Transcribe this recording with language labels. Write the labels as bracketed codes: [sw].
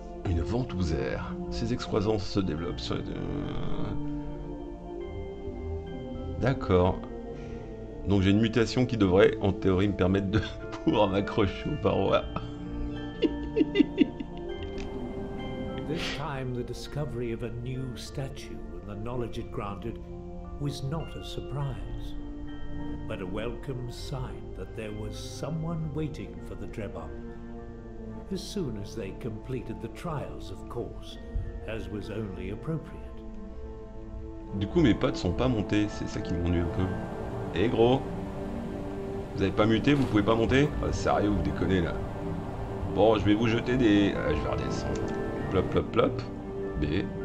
[fr] Une ventouse air. Ces excroissances se développent sur les deux... D'accord. Donc j'ai une mutation qui devrait, en théorie, me permettre de pouvoir m'accrocher aux parois. [en] This time, the discovery of a new statue and the knowledge it granted was not a surprise, but a welcome sign that there was someone waiting for the Drebon. As soon as they completed the trials, of course, as was only appropriate. [fr] Du coup, mes pattes sont pas montées, c'est ça qui m'ennuie un peu. Hé gros, vous avez pas muté, vous pouvez pas monter? Oh, sérieux, vous déconnez là. Bon, je vais vous jeter des... je vais redescendre. Plop, plop, plop. B.